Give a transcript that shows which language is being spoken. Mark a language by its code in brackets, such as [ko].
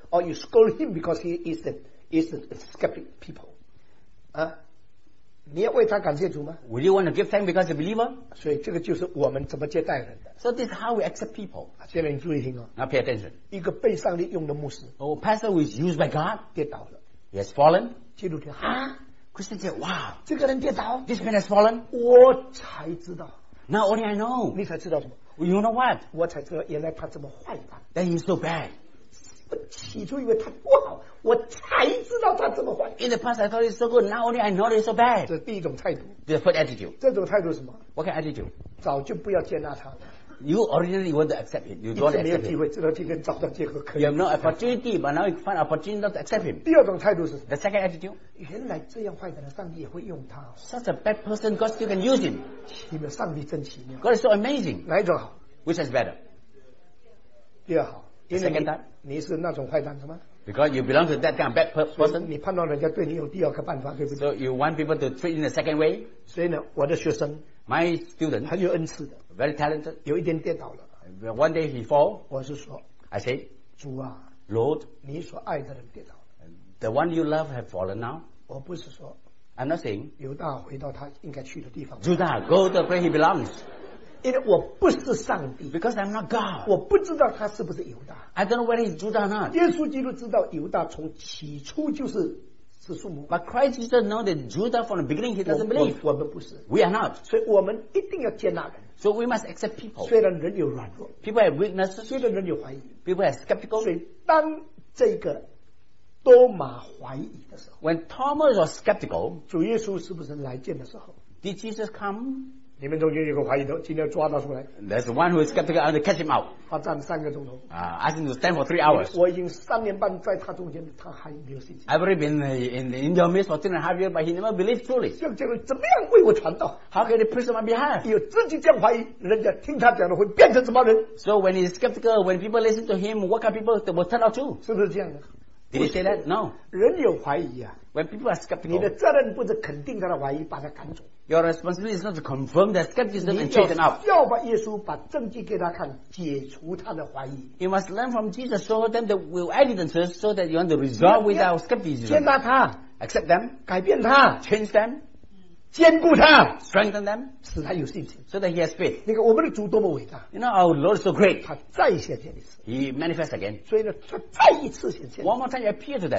[en] Or you scold him because he is a skeptic people. [zh] 啊，你要为他感谢主吗 [en] ？Would you want to give thanks because he's a believer? [zh] 所以这个就是我们怎么接待人的。 [en] So this is how we accept people. [zh] 下面你注意听哦。 [en] Now pay attention. [zh] 一个被上帝用的牧师。 [en] Oh, pastor who is used by God. [zh] 跌倒了。 [en] He has fallen. [zh] 基督教啊 ，Christian 界哇，这个人跌倒。 [en] This man has fallen. [zh] 我才知道。 [en] Now only I know. [zh] 你才知道什么 [en] ？You know what? [zh] 我才知道原来他这么坏的。 [en] That he's so bad. [zh] 我起初以为他不好，我才知道他这么坏。 [en] In the past, I thought it's so good. Now only I know it's so bad. [zh] 这是第一种态度。 [en] The first attitude. [zh] 这种态度是什么 [en] ？What kind of attitude? [zh] 早就不要接纳他了。 [en] You originally want to accept him. You don't accept him. [zh] 没有机会，直到今天找到机会可以。 [en] You have no opportunity, but now you find opportunity not to accept him. [zh] 第二种态度是什么 [en] ？The second attitude. [zh] 原来这样坏的人，上帝也会用他。 [en] Such a bad person, God still can use him. [zh] 奇妙，上帝真奇妙。 [en] God is so amazing. [zh] 哪一种好 [en] ？Which is better? [zh] 第二好。因为 你是那种坏蛋是吗 [en] ？Because you belong to that kind of bad person， [zh] 你判断人家对你有第二个办法，对不对 [en] ？So you want people to treat in a second way。 [zh] 所以呢，我的学生 [en] ，my student， [zh] 很有恩赐的 [en] ，very talented， [zh] 有一点跌倒了。 [en] One day he fall， [zh] 我是说 [en] ，I say， [zh] 主啊 [en] ，Lord， [zh] 你所爱的人跌倒了。 [en] The one you love have fallen now。 [zh] 我不是说 [en] I'm not saying. [zh] 犹大回到他应该去的地方。 [en] Judah, go to where he belongs. [zh] 因为我不是上帝。 [en] Because I'm not God. [zh] 我不知道他是不是犹大。 [en] I don't know whether he's Judah or not. [zh] 耶稣基督知道犹大从起初就是是数目。 [en] But Christ doesn't know that Judah from the beginning he doesn't believe. [zh] 我们不是。 [en] We are not. [zh] 所以我们一定要接纳人。 [en] So we must accept people. [zh] 虽然人有软弱。 [en] People have weaknesses. [zh] 虽然人有怀疑。 [en] People have skeptical. [zh] 所以当这个多马怀疑的时候 [en] ，When Thomas was skeptical， [zh] 主耶稣是不是来见的时候 [en] ？Did Jesus come？ [zh] 你们中间有个怀疑的，今天抓他出来。 [en] There's one who is skeptical and catch him out。 [zh] 他站了三个钟头。 [en] I think he stand for 3 hours。 [zh] 我已经三年半在他中间，他还没有信心。 [en] I've already been in your midst for 3.5 years， but he never believed truly。 [zh] 这个怎么样为我传道 [en] ？How can he preach on my behalf？ [zh] 有自己这样怀疑，人家听他讲的会变成什么人 [en] ？So when he's skeptical， when people listen to him， what kind of people will turn out to？ [zh] 是不是这样的？ [en] Did he say that? No. [zh] 人有怀疑啊。 [en] When people are skeptical, [zh] 你的责任不是肯定他的怀疑，把他赶走。 [en] Your responsibility is not to confirm that skepticism and check them out. [zh] 要把耶稣把证据给他看，解除他的怀疑。 [en] You must learn from Jesus, show them the real evidences, so that you want to resolve without skepticism. [zh] 接纳他 [en] ，accept them， [zh] 改变他 [en] ，change them， [zh] 坚固他 [en] ，strengthen them， [zh] 使他有信心 [en] ，so that he has faith. [zh] 你看我们的主多么伟大。 [en] You know our Lord is so great. [zh] 他再显现一次。 [en] He manifests again. [zh] 所以呢，他再一次显现。 [en] One more time, he appeared to them.